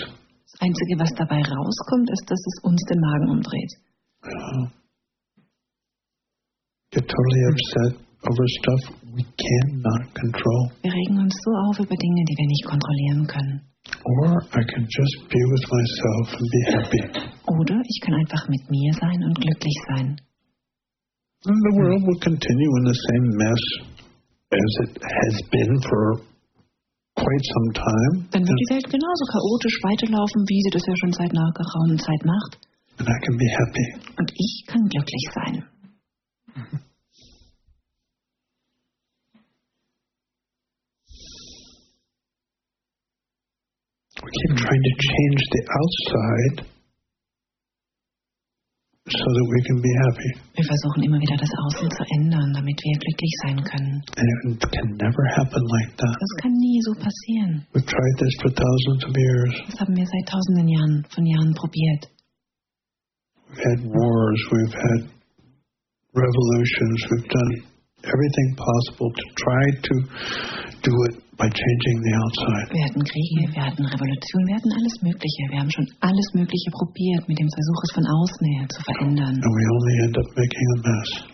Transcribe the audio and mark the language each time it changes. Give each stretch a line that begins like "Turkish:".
German: Das Einzige, was dabei rauskommt, ist, dass es uns den Magen umdreht. Ja.
English: Get totally upset over stuff we cannot control.
German: Wir regen uns so auf über Dinge, die wir nicht kontrollieren können.
English: Or I can just be with myself and be happy.
German: Oder ich kann einfach mit mir sein und glücklich sein.
English: And the world will continue in the same mess as it has been for quite some time.
German: Dann wird die Welt genauso chaotisch weiterlaufen, wie sie das ja schon seit einer geraumen Zeit macht.
English: And I can be happy.
German: Und ich kann glücklich sein.
English: We keep trying to change the outside so that we can be happy.
German: Wir versuchen immer wieder das Außen zu ändern, damit wir glücklich sein können.
English: And it can never happen like that.
German: Das kann nie so passieren.
English: We've tried this for thousands of years.
German: Das haben wir seit tausenden Jahren von Jahren probiert.
English: We've had wars, we've had revolutions, we've done everything possible to try to do it by changing the outside.
German: Wir hatten Kriege, wir hatten Revolutionen, wir hatten alles Mögliche. Wir haben schon alles Mögliche probiert, mit dem Versuch, es von außen her zu verändern.
English: And we only end up making a mess.